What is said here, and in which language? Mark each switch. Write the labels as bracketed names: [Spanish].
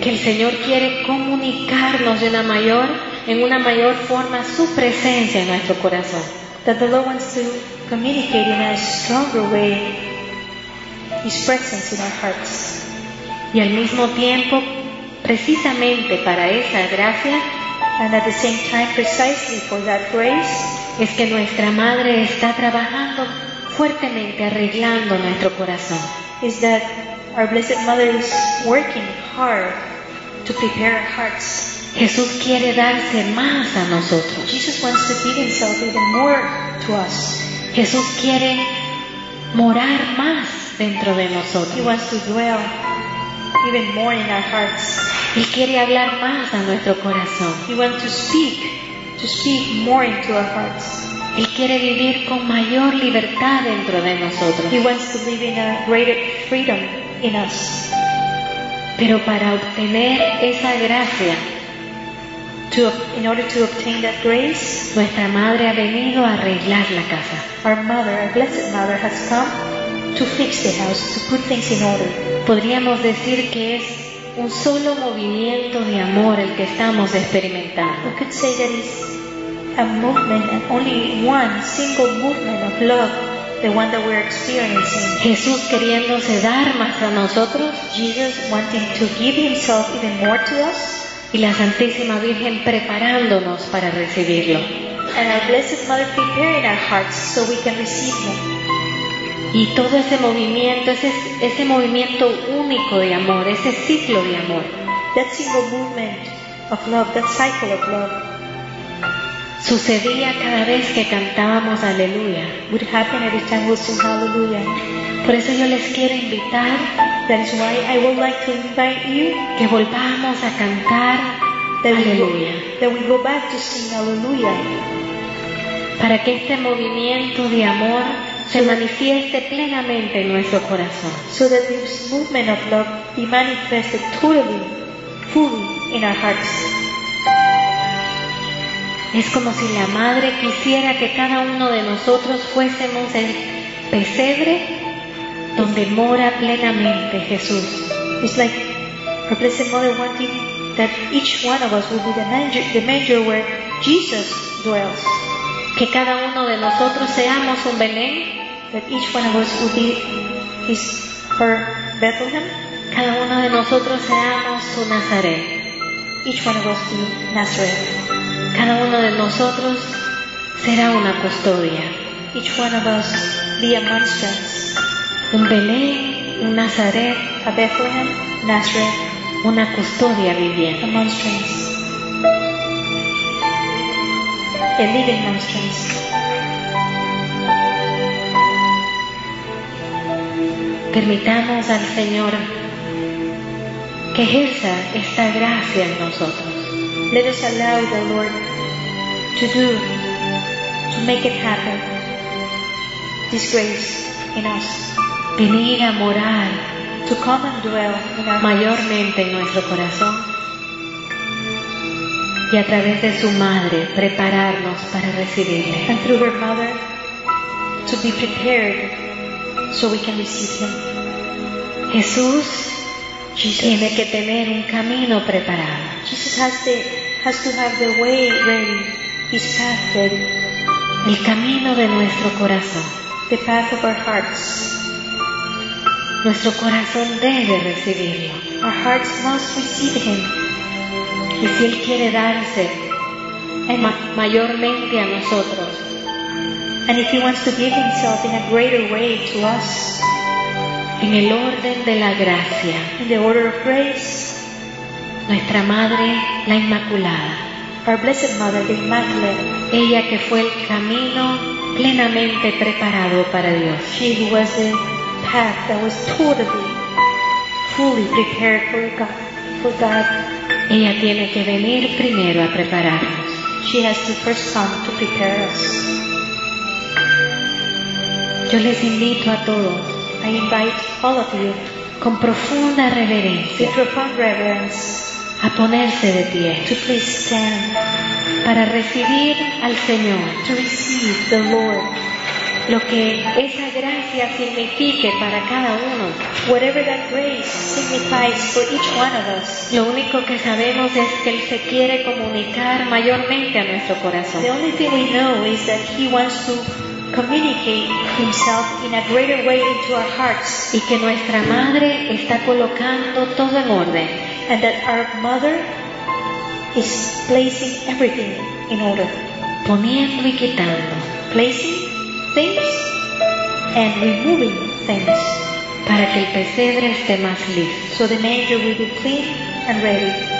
[Spanish] que el Señor quiere comunicarnos de una mayor, en una mayor forma, su presencia en nuestro corazón. [English] That the Lord wants to communicate in a stronger way His presence in our hearts. [Spanish] Y al mismo tiempo, precisamente para esa gracia, [English] and at the same time, precisely for that grace, [Spanish] es que nuestra madre está trabajando fuertemente arreglando nuestro corazón. [English] Is that our Blessed Mother is working hard to prepare our hearts. [Spanish] Jesús quiere darse más a nosotros. [English] Jesus wants to give himself even more to us. [Spanish] Jesús quiere morar más dentro de nosotros. [English] He wants to dwell even more in our hearts. [Spanish] Él quiere hablar más a nuestro corazón. [English] He wants to speak more into our hearts. [Spanish] Él quiere vivir con mayor libertad dentro de nosotros. [English] He wants to live in a greater freedom in us. [Spanish] Pero para obtener esa gracia, [English] in order to obtain that grace, [Spanish] nuestra madre ha venido a arreglar la casa. [English] Our mother, our blessed mother, has come to fix the house, to put things in order. [Spanish] Podríamos decir que es un solo movimiento de amor el que estamos experimentando. [English] We could say that it's a movement, only one single movement of love, the one that we're experiencing. [Spanish] Jesús queriéndose dar más a nosotros. [English] Jesus wanting to give himself even more to us. [Spanish] Y la Santísima Virgen preparándonos para recibirlo. [English] And our Blessed Mother preparing our hearts so we can receive him. [Spanish] Y todo ese movimiento, ese movimiento único de amor, ese ciclo de amor. [English] That single movement of love, that cycle of love. [Spanish] Sucedía cada vez que cantábamos Aleluya. [English] Would happen every time we sing Hallelujah. [Spanish] Por eso yo les quiero invitar. [English] That is why I would like to invite you. [Spanish] Que volvamos a cantar Aleluya. [English] That we go back to sing Hallelujah. [Spanish] Para que este movimiento de amor se manifieste plenamente en nuestro corazón. [English] So that this movement of love be manifested totally, fully in our hearts. [Spanish] Es como si la madre quisiera que cada uno de nosotros fuésemos el pesebre donde mora plenamente Jesús. [English] It's like the Blessed Mother wanting that each one of us will be the manger where Jesus dwells. [Spanish] Que cada uno de nosotros seamos un Belén. [English] That each one of us will be his her Bethlehem. [Spanish] Cada uno de nosotros seamos su Nazaret. [English] Each one of us be Nazareth. [Spanish] Cada uno de nosotros será una custodia. [English] Each one of us be a monstrance. [Spanish] Un Belén, un Nazaret, [English] a Bethlehem, Nazareth, [Spanish] una custodia viviente. [English] A monstrance. A living monstrance. [Spanish] Permitamos al Señor que ejerza esta gracia en nosotros. [English] Let us allow the Lord to do, to make it happen, this grace in us. [Spanish] Venir a morar, [English] to come and dwell in our [Spanish] mayormente en nuestro corazón, y a través de su madre prepararnos para recibirle. [English] And through her mother to be prepared so we can receive him. [Spanish] Jesús, Jesus, tiene que tener un camino preparado. [English] Jesus has to have the way ready, his path ready. [Spanish] El camino de nuestro corazón. [English] The path of our hearts. [Spanish] Nuestro corazón debe recibirlo. [English] Our hearts must receive him. [Spanish] Y si él quiere darse mayormente a nosotros. [English] And if he wants to give himself in a greater way to us. [Spanish] En el orden de la gracia. [English] In the order of grace. [Spanish] Nuestra madre, la Inmaculada. [English] Our Blessed Mother, the Immaculate. [Spanish] Ella que fue el camino plenamente preparado para Dios. [English] She who was the path that was totally, fully prepared for God. For God. [Spanish] Ella tiene que venir primero a prepararnos. [English] She has to first come to prepare us. [Spanish] yo les invito a todos, [English] I invite all of you, [Spanish] con profunda reverencia, [English] with profound reverence, [Spanish] a ponerse de pie, [English] to please stand, [Spanish] para recibir al Señor, [English] to receive the Lord, [Spanish] lo que esa gracia signifique para cada uno, [English] whatever that grace signifies for each one of us. [Spanish] Lo único que sabemos es que Él se quiere comunicar mayormente a nuestro corazón. [English] The only thing we know is that He wants to communicate Himself in a greater way into our hearts. [Spanish] Y que nuestra madre está colocando todo en orden. [English] And that our mother is placing everything in order. [Spanish] Poniendo y quitando. [English] Placing things and removing things. [Spanish] Para que el pesebre esté más listo. [English] So the manger will be clean and ready.